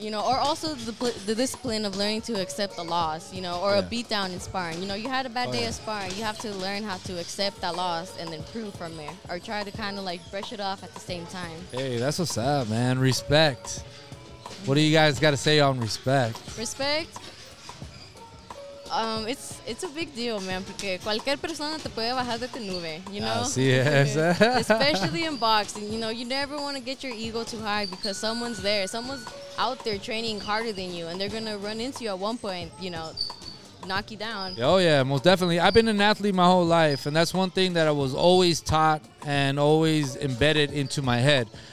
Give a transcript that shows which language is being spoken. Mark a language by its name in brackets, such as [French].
[English] You know, or also the discipline of learning to accept the loss, you know, or a beatdown in sparring. You know, you had a bad day of sparring. You have to learn how to accept that loss and then improve from there, or try to kind of, like, brush it off at the same time. Hey, that's what's up, man. Respect. What do you guys got to say on respect? Respect? It's a big deal, man, [Spanish] porque cualquier persona te puede bajar de tu nube, [English] you know? [Spanish] Así es. [English] Especially in boxing, you know, you never want to get your ego too high because someone's there. Someone's out there training harder than you, and they're going to run into you at one point, you know, knock you down. Oh, yeah, most definitely. I've been an athlete my whole life, and that's one thing that I was always taught and always embedded into my head.